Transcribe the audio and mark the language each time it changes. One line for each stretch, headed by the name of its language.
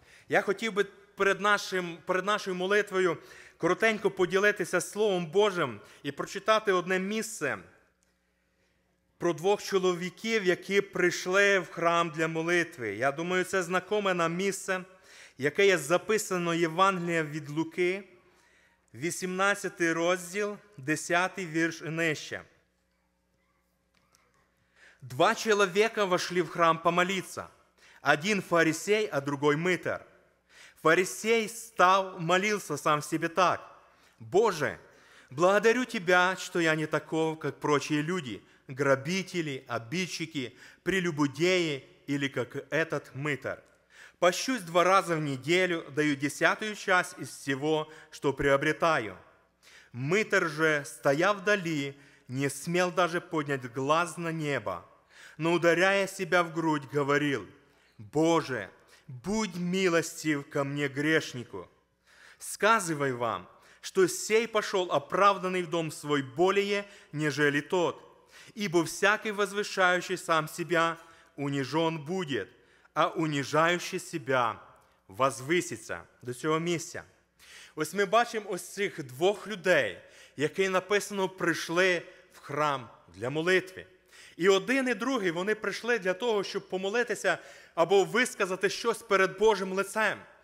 Ukrainian: Я хотів би перед нашою молитвою коротенько поділитися Словом Божим і прочитати одне місце про двох чоловіків, які прийшли в храм для молитви. Я думаю, це знакоме нам місце, яке є записано Євангелієм від Луки, 18 розділ, 10 вірш і нижче. Два чоловіка
Russian: вошли в храм помолиться. Один фарисей, а другой митар. Фарисей став, молился сам себе так. «Боже, благодарю Тебя, что я не таков, как прочие люди, грабители, обидчики, прелюбодеи или как этот митар». Пощусь два раза в неделю, даю десятую часть из всего, что приобретаю. Мытар же, стоя вдали, не смел даже поднять глаз на небо, но, ударяя себя в грудь, говорил, «Боже, будь милостив ко мне грешнику! Сказывай вам, что сей пошел оправданный в дом свой более, нежели тот, ибо всякий возвышающий сам себя унижен будет».
Ukrainian: А уніжаючи себе, возвиситься до цього місця. Ось ми бачимо ось цих двох людей, які написано прийшли в храм для молитви. І один і другий, вони прийшли для того, щоб помолитися або висказати щось перед Божим лицем.